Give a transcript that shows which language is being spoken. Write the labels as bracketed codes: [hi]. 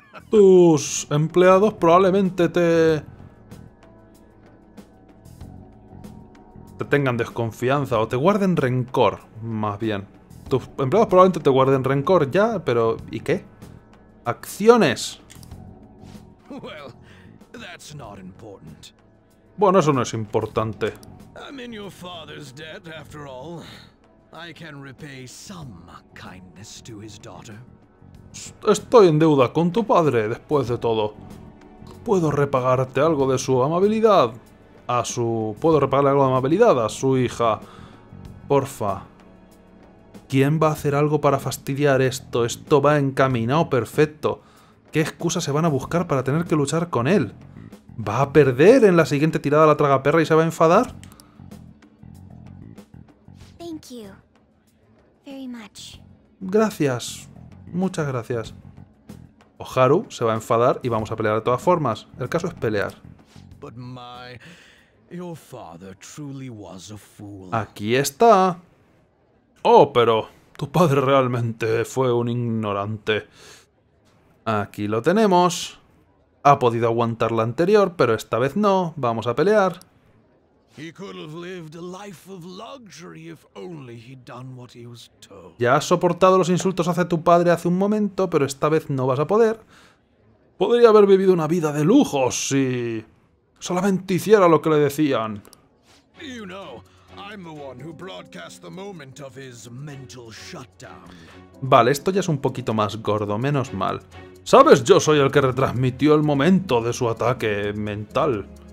[es] Tus empleados probablemente te tengan desconfianza o te guarden rencor, más bien. Tus empleados probablemente te guarden rencor ya, pero ¿y qué? ¡Acciones! [en] Well, that's not important. [es] Bueno, eso no es importante. [en] I'm in your father's debt, after all. I can repay some kindness to his daughter. [es] Estoy en deuda con tu padre, después de todo. Puedo repagarte algo de su amabilidad a su... Puedo repagarle algo de amabilidad a su hija. Porfa. ¿Quién va a hacer algo para fastidiar esto? Esto va encaminado perfecto. ¿Qué excusa se van a buscar para tener que luchar con él? ¿Va a perder en la siguiente tirada a la tragaperra y se va a enfadar? [en] Thank you. Very much. [es] Gracias. Muchas gracias. Oharu se va a enfadar y vamos a pelear de todas formas. El caso es pelear. [en] But my, your father truly was a fool. [es] ¡Aquí está! ¡Oh, pero tu padre realmente fue un ignorante! Aquí lo tenemos. Ha podido aguantar la anterior, pero esta vez no. Vamos a pelear. [en] He could have lived a life of luxury if only he'd done what he was told. [es] Ya has soportado los insultos hacia tu padre hace un momento, pero esta vez no vas a poder. Podría haber vivido una vida de lujo si solamente hiciera lo que le decían. [en] You know, I'm the one who broadcast the moment of his mental shutdown. [es] Vale, esto ya es un poquito más gordo, menos mal. ¿Sabes? Yo soy el que retransmitió el momento de su ataque mental.